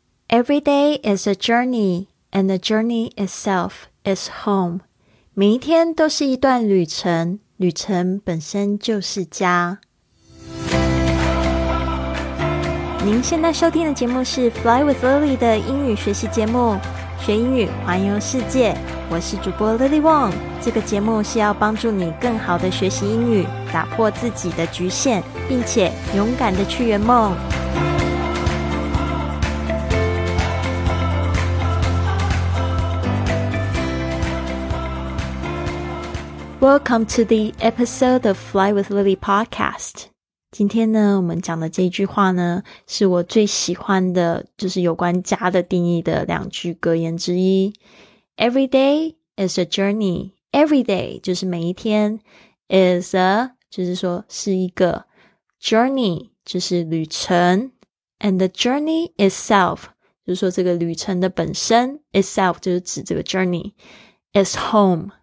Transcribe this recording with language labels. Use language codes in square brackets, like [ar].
[en] Every day is a journey, and the journey itself is home. [zh] 每一天都是一段旅程，旅程本身就是家。您现在收听的节目是 Fly with Lily 的英语学习节目，学英语，环游世界。我是主播 Lily Wong， 这个节目是要帮助你更好的学习英语，打破自己的局限，并且勇敢的去圆梦。 [en] Welcome to the episode of Fly with Lily podcast. [zh] 今天呢，我们讲的这一句话呢，是我最喜欢的，就是有关家的定义的两句格言之一。 [en] Every day is a journey. Every day 就是每一天，is a 就是说是一个 journey 就是旅程，and the journey itself 就是说这个旅程的本身 itself 就是指这个 journey is home.